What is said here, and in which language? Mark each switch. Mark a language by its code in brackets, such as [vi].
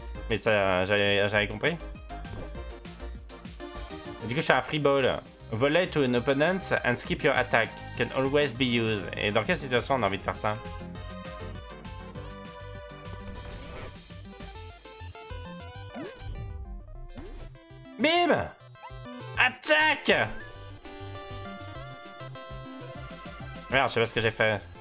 [fr] Mais ça, j'avais compris. Du coup, je suis un free ball. [en] Volley to an opponent and skip your attack. Can always be used. [fr] Et dans quelle situation on a envie de faire ça? Bim! Attaque! Merde, je sais pas ce que j'ai fait.